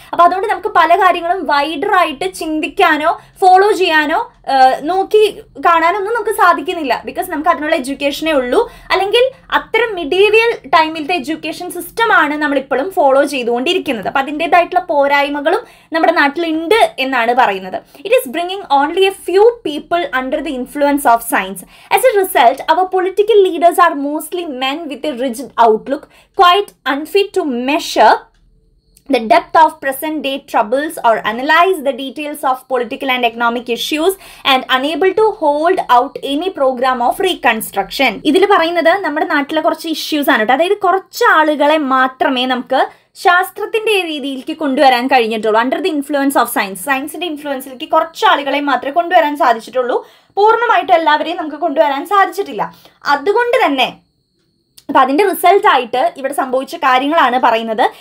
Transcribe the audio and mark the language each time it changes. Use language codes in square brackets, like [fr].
[ml] അപ്പോൾ അതുകൊണ്ട് നമുക്ക് പല കാര്യങ്ങളും വൈഡറായിട്ട് ചിന്തിക്കാനോ ഫോളോ ചെയ്യാനോ നോക്കി കാണാനോ ഒന്നും നമുക്ക് സാധിക്കുന്നില്ല. ബിക്കോസ് നമുക്ക് അതിനുള്ള എഡ്യൂക്കേഷനേ ഉള്ളൂ, അല്ലെങ്കിൽ അത്തരം മിഡീവിയൽ ടൈമിലത്തെ എഡ്യൂക്കേഷൻ സിസ്റ്റമാണ് നമ്മളിപ്പോഴും ഫോളോ ചെയ്തുകൊണ്ടിരിക്കുന്നത്. അപ്പോൾ അതിൻ്റേതായിട്ടുള്ള പോരായ്മകളും നമ്മുടെ നാട്ടിലുണ്ട് എന്നാണ് പറയുന്നത്. [en] It is bringing only a few people under the influence of science. As a result our political leaders are mostly men with a rigid outlook, quite unfit to measure the depth of present day troubles or analyze the details of political and economic issues and unable to hold out any program of reconstruction. [ml] ഇതില് പറയുന്നത് നമ്മുടെ നാട്ടിലെ കുറച്ച് issues ആണ് കേട്ടോ. അതായത് കുറച്ച് ആളുകളെ മാത്രമേ നമുക്ക് ശാസ്ത്രത്തിൻ്റെ രീതിയിലേക്ക് കൊണ്ടുവരാൻ കഴിഞ്ഞിട്ടുള്ളൂ. [en] under the influence of science, [ml] സയൻസിൻ്റെ ഇൻഫ്ലുവൻസിലേക്ക് കുറച്ച് ആളുകളെ മാത്രമേ കൊണ്ടുവരാൻ സാധിച്ചിട്ടുള്ളൂ, പൂർണ്ണമായിട്ട് എല്ലാവരെയും നമുക്ക് കൊണ്ടുവരാൻ സാധിച്ചിട്ടില്ല. അതുകൊണ്ട് തന്നെ അപ്പം അതിൻ്റെ റിസൾട്ടായിട്ട് ഇവിടെ സംഭവിച്ച കാര്യങ്ങളാണ് പറയുന്നത്.